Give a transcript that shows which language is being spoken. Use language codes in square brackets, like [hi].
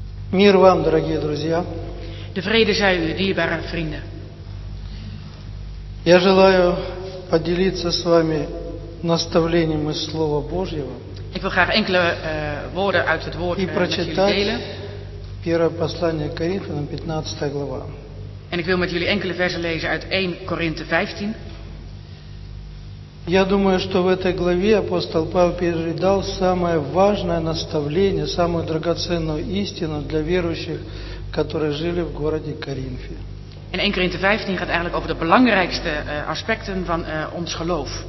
[ru] Мир вам, дорогие друзья. [nl] De vrede zij u, dierbare vrienden. [ru] Я желаю поделиться с вами наставлением из Слова Божьего. [nl] Ik wil graag enkele woorden uit het woord met jullie delen. [ru] Первое послание к Коринфянам, 15 глава. [nl] En ik wil met jullie enkele versen lezen uit 1 Korinthe 15. [ru] Я думаю, что в этой главе апостол Павел передал самое важное наставление, самую драгоценную истину для верующих, которые жили в городе Коринфе. [nl] En 1 Korinthe 15 gaat eigenlijk over de belangrijkste aspecten van ons geloof.